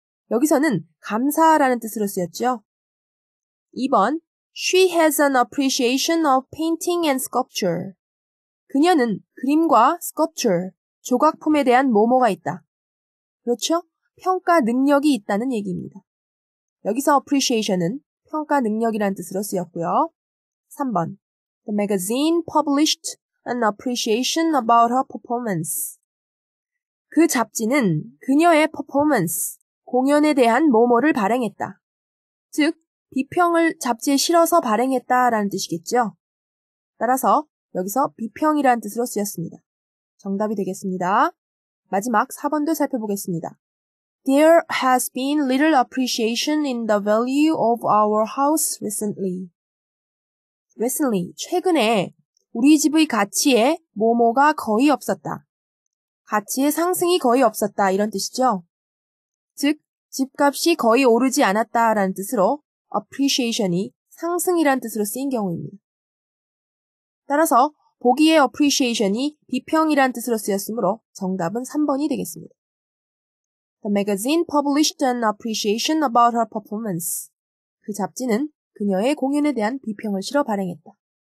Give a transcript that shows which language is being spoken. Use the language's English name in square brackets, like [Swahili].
[Korean] 여기서는 감사라는 뜻으로 쓰였죠. 2번, [English] she has an appreciation of painting and sculpture. [Korean] 그녀는 그림과 sculpture, 조각품에 대한 뭐뭐가 있다. 그렇죠? 평가 능력이 있다는 얘기입니다. 여기서 appreciation은 평가 능력이라는 뜻으로 쓰였고요. 3번. [English] The magazine published an appreciation about her performance. [Korean] 그 잡지는 그녀의 performance, 공연에 대한 뭐뭐를 발행했다. 즉, 비평을 잡지에 실어서 발행했다라는 뜻이겠죠. 따라서 여기서 비평이라는 뜻으로 쓰였습니다. 정답이 되겠습니다. 마지막 4번도 살펴보겠습니다. [English] There has been little appreciation in the value of our house recently. [Korean] Recently, 최근에 우리 집의 가치에 뭐뭐가 거의 없었다. 가치의 상승이 거의 없었다 이런 뜻이죠. 즉, 집값이 거의 오르지 않았다라는 뜻으로 appreciation이 상승이란 뜻으로 쓰인 경우입니다. 따라서 보기에 appreciation이 비평이란 뜻으로 쓰였으므로 정답은 3번이 되겠습니다. [English] The magazine published an appreciation about her performance. [Korean] 그 잡지는 그녀의 공연에 대한 비평을 실어 발행했다.